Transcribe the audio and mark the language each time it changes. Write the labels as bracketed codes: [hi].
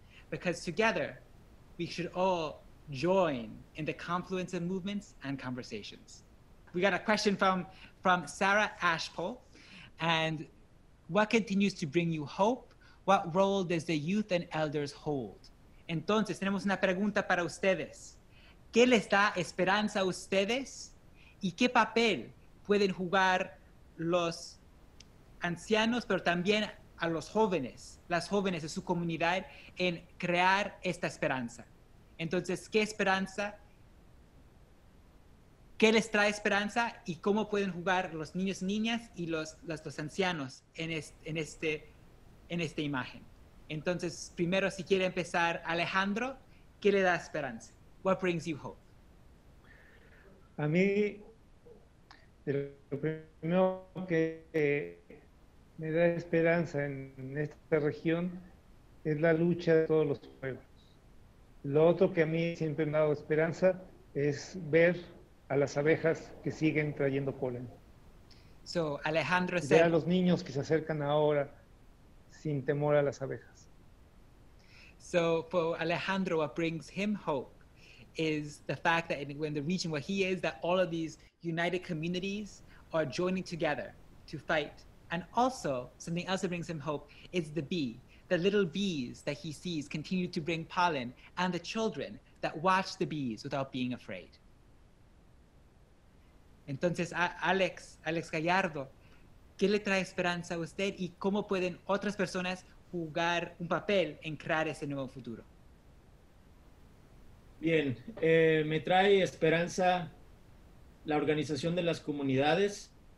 [en] Because together, we should all join in the confluence of movements and conversations. We got a question from Sarah Ashpole. And what continues to bring you hope? What role does the youth and elders hold [es] Entonces, tenemos una pregunta para ustedes. ¿Qué les da esperanza a ustedes y qué papel pueden jugar los ancianos, pero también a los jóvenes, las jóvenes de su comunidad, en crear esta esperanza? Entonces, ¿qué esperanza? ¿Qué les trae esperanza y cómo pueden jugar los niños, niñas y los ancianos en esta imagen? Entonces, primero, si quiere empezar, Alejandro, ¿qué le da esperanza? [en] What brings you hope? [es] A mí, lo primero que me da esperanza en esta región es la lucha de todos los pueblos. Lo otro que a mí siempre me ha dado esperanza es ver a las abejas que siguen trayendo polen. [en] So, Alejandro said, [es] ver a los niños que se acercan ahora sin temor a las abejas. [en] So, for Alejandro, what brings him hope is the fact that in the region where he is, that all of these united communities are joining together to fight. And also, something else that brings him hope is the bee. The little bees that he sees continue to bring pollen, and the children that watch the bees without being afraid. [es] Entonces, Alex Gallardo, ¿qué le trae esperanza a usted y cómo pueden otras personas jugar un papel en crear ese nuevo futuro? Bien, me trae esperanza la organización de las comunidades.